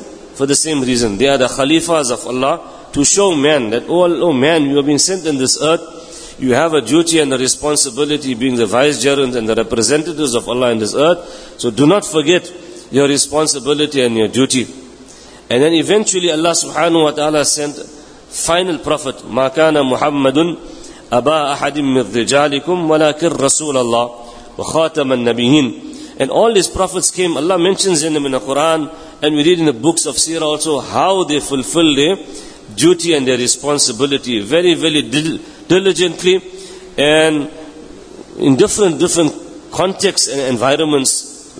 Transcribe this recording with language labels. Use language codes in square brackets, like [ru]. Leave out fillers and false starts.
[en] For the same reason. They are the khalifas of Allah to show man that, oh man, you have been sent in this earth. You have a duty and a responsibility being the vicegerent and the representatives of Allah in this earth. So do not forget your responsibility and your duty. And then eventually Allah subhanahu wa ta'ala sent final prophet, [ar] ما كان محمد أبا أحد من رجالكم ولكن رسول الله وخاتم النبيين. [en] And all these prophets came, Allah mentions in them in the Quran, and we read in the books of Sirah also how they fulfilled their duty and their responsibility very, very diligently and in different contexts and environments.